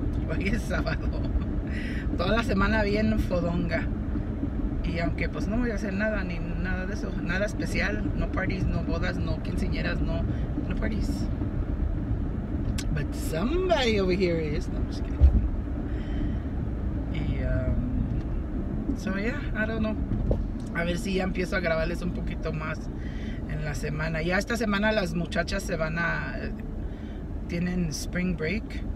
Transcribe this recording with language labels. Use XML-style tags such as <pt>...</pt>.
<es>Hoy es sábado, toda la semana bien fodonga. Y aunque pues no voy a hacer nada, ni nada de eso, nada especial, no parties, no bodas, no quinceañeras, no parties.</es> <en>But somebody over here is, no, I'm just kidding. Y, so yeah, I don't know.</en> <es>A ver si ya empiezo a grabarles un poquito más en la semana. Ya esta semana las muchachas se van a, tienen spring break.</es>